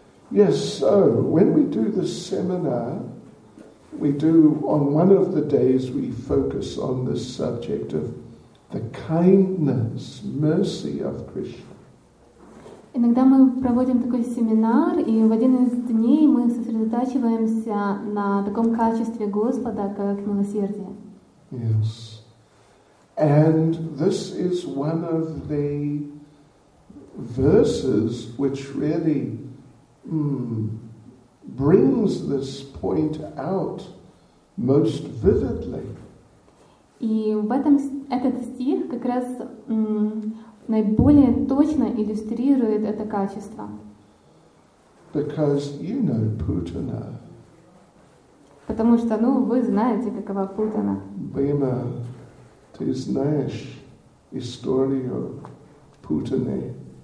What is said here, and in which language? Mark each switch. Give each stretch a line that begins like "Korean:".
English: Yes, so when we do the seminar, we do on one of the days we focus on the subject of the kindness, mercy of Krishna.
Russian: Иногда мы проводим такой семинар, и в один из дней мы сосредотачиваемся на таком качестве Господа, как милосердие.
English: Yes. And this is one of the verses which really brings this point out most vividly.
Russian: И в этом этот стих как раз наиболее точно иллюстрирует это качество.
English: Because you know Putana.
Russian: Потому что, ну, вы знаете, какова Путана. Бхима, ты знаешь историю Путаны.